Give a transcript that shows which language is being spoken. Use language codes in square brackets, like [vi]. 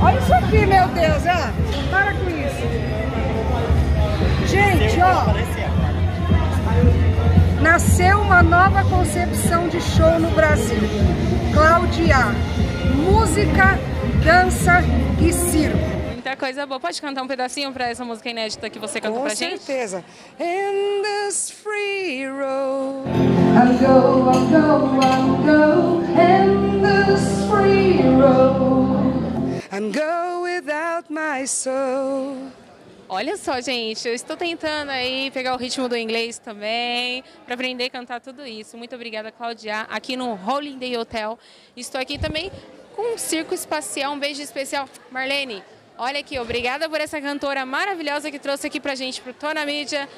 [pt] Olha isso aqui, meu Deus. Para com isso. Gente, ó. Nasceu uma nova concepção de show no Brasil. Cláudia, música, dança e circo. Muita coisa boa. Pode cantar um pedacinho para essa música inédita que você cantou com pra gente? Com certeza. [en] In this free road, I go, I go, I go. In this free road, I go without my soul. [pt] Olha só, gente, eu estou tentando aí pegar o ritmo do inglês também, para aprender a cantar tudo isso. Muito obrigada, Cláudia, aqui no Holiday Hotel. Estou aqui também com o Circo Espacial, um beijo especial. Marlene, olha aqui, obrigada por essa cantora maravilhosa que trouxe aqui pra gente, pro Tô na Mídia.